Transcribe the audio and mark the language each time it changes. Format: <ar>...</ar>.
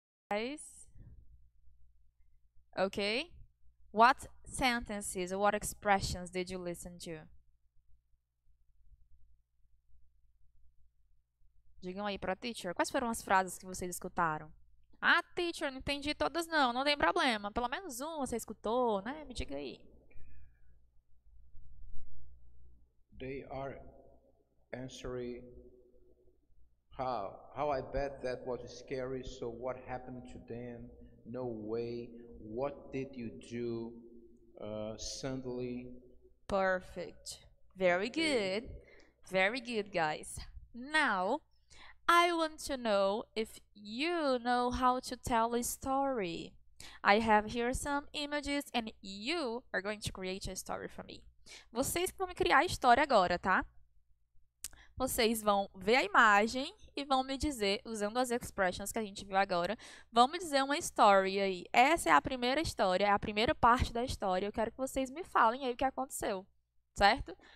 <en>Guys, okay, what sentences or what expressions did you listen to?</en> <pt>Digam aí pra teacher, quais foram as frases que vocês escutaram? Ah, teacher, não entendi todas não, não tem problema, pelo menos uma você escutou, né? Me diga aí.</pt> <en>They are answering... How I bet that was scary, so what happened to them? No way. What did you do suddenly? Perfect. Very good. Very good, guys. Now, I want to know if you know how to tell a story. I have here some images and you are going to create a story for me.</en> <pt>Vocês que vão me criar a história agora, tá? Vocês vão ver a imagem e vão me dizer, usando as expressions que a gente viu agora, vão me dizer uma story aí. Essa é a primeira história, é a primeira parte da história. Eu quero que vocês me falem aí o que aconteceu, certo?</pt>